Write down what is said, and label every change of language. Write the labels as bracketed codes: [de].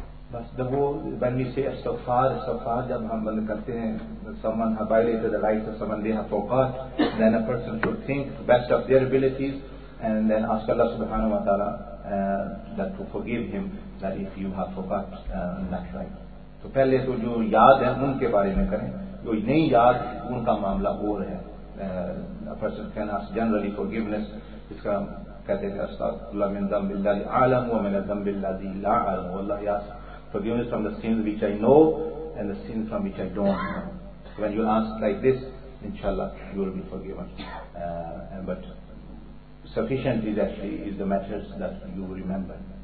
[en] When we say استغفار, استغفار جب ہم بند کرتے ہیں, someone has violated the rights of someone, they have forgot, then a person should think best of their abilities and then ask Allah subhanahu wa ta'ala that to forgive him that if you have forgot that right. [ur] تو پہلے تو جو یاد ہیں ان کے بارے میں کریں, جو نہیں یاد ان کا معاملہ اور ہے. [en] A person can ask generally forgiveness, اس کا کہتے ہیں استغفر من ذنب الذي اعلم ومن ذنب الذي لا اعلم, والله يعصم forgiveness from the sins which I know and the sins from which I don't know. When you ask like this, inshallah, you will be forgiven. But sufficient is actually is the matters that you remember.